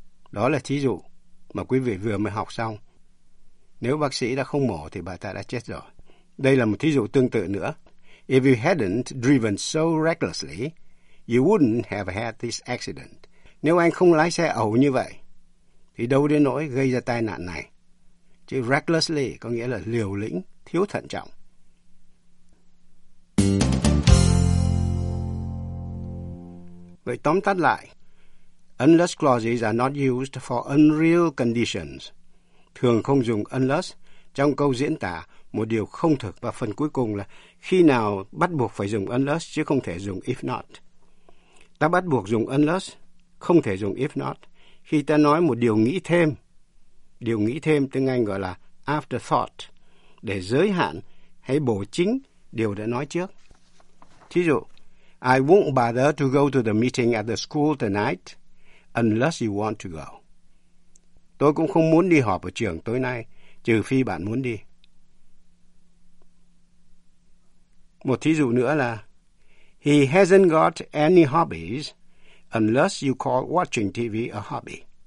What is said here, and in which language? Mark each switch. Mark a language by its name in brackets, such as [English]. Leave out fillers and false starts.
[Vietnamese] Đó là thí dụ mà quý vị vừa mới học xong. Nếu bác sĩ đã không mổ thì bà ta đã chết rồi. Đây là một thí dụ tương tự nữa. [English] If you hadn't driven so recklessly, you wouldn't have had this accident. [Vietnamese] Nếu anh không lái xe ẩu như vậy, thì đâu đến nỗi gây ra tai nạn này. Chứ recklessly có nghĩa là liều lĩnh, thiếu thận trọng. Vậy tóm tắt lại, [English] unless clauses are not used for unreal conditions. [Vietnamese] Thường không dùng unless trong câu diễn tả một điều không thực, và phần cuối cùng là khi nào bắt buộc phải dùng unless chứ không thể dùng if not. Ta bắt buộc dùng unless, không thể dùng if not, khi ta nói một điều nghĩ thêm. Điều nghĩ thêm tiếng Anh gọi là afterthought, để giới hạn hay bổ chính điều đã nói trước. Thí dụ, [English] I won't bother to go to the meeting at the school tonight unless you want to go. [Vietnamese] Tôi cũng không muốn đi họp ở trường tối nay, trừ phi bạn muốn đi. Một thí dụ nữa là [English] he hasn't got any hobbies unless you call watching TV a hobby.